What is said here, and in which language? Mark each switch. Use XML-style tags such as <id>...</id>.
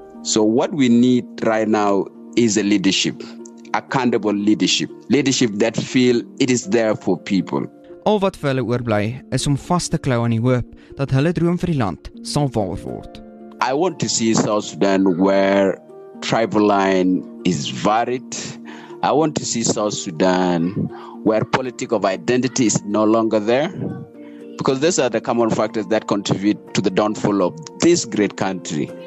<en>So what we need right now is a leadership. Accountable leadership. Leadership that feel it is there for people.</en> <af>Al wat vir hulle oorbly is om vas te klou aan die hoop dat hulle droom vir die land sal waar word.</af> <en>I want to see South Sudan where tribal line is varied. I want to see South Sudan where political identity is no longer there. Because these are the common factors that contribute to the downfall of this great country.</en>